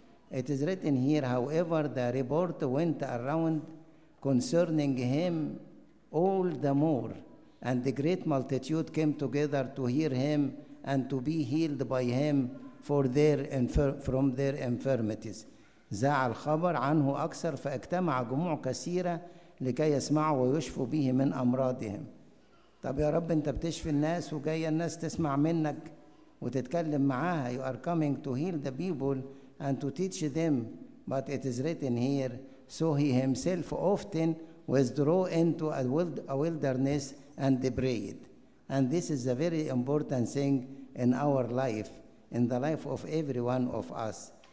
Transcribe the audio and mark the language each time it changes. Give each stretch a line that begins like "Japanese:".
English: It is written here, however, the report went around concerning him all the more, and the great multitude came together to hear him and to be healed by him from their infirmities.
Arabic: زاع الخبر عنه أكثر فاجتمع جموع كثيرة لكي يسمعوا ويشفوا به من أمراضهم. طب يا رب انت بتشفي الناس وجاية الناس تسمع منك وتتكلم معاها.
English: You are coming to heal the people and to teach them. But it is written here, so he himself often withdrew into a wilderness and prayed. And this is a very important thing in our life, in the life of every one of us.